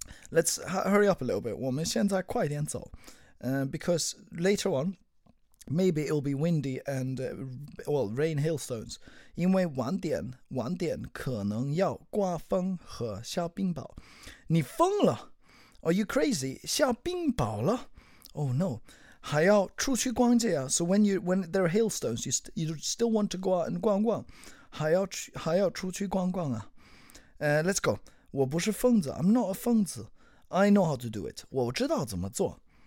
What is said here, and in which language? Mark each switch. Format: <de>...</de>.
<en>Let's hurry up a little bit.</en> <zh>我们现在快点走，</zh> <en>because later on. Maybe it'll be windy and, well, rain hailstones.</en> <zh>因为晚点可能要刮风和下冰雹。你疯了 ？</zh> <en>Are you crazy?</en> <zh>下冰雹了 ？</zh> <en>Oh no!</en> <zh>还要出去逛街啊</zh> <en>？So when there are hailstones, you still want to go out and 逛逛？</en> <zh>还要出去逛逛啊？</zh> <en>Let's go. 我不是疯子 ，I'm not a 疯子。I know how to do it.</en> <zh>我知道怎么做。</zh>